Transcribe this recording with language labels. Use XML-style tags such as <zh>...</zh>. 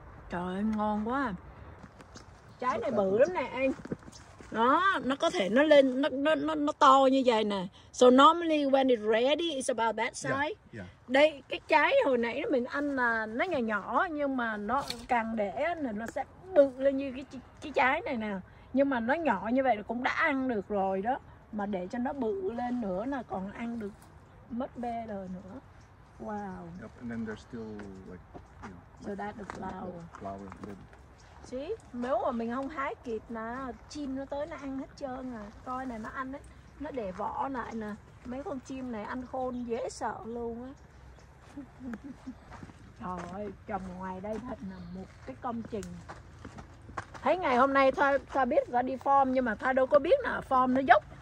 <vi>Trời ơi, ngon quá. Trái này bự lắm nè anh. Đó, nó có thể nó lên nó to như vậy nè.</vi> <en>So normally when it's ready it's about that size. Yeah, yeah.</en> <vi>Đây cái trái hồi nãy mình ăn là nó nhỏ nhỏ, nhưng mà nó càng để là nó sẽ bự lên như cái trái này nè. Nhưng mà nó nhỏ như vậy là cũng đã ăn được rồi đó, mà để cho nó bự lên nữa là còn ăn được mất bê rồi nữa.</vi> <en>Wow. Yep, and then there's still like, you know, so that's the flower.</en> <vi>Chí, nếu mà mình không hái kịp nè, chim nó tới nó ăn hết trơn à. Coi này, nó ăn ấy, nó để vỏ lại nè. Mấy con chim này ăn khôn dễ sợ luôn á. Trời ơi, trồng ngoài đây thật là một cái công trình. Thấy ngày hôm nay Thoa biết Thoa đi farm, nhưng mà Thoa đâu có biết là farm nó dốc.</vi>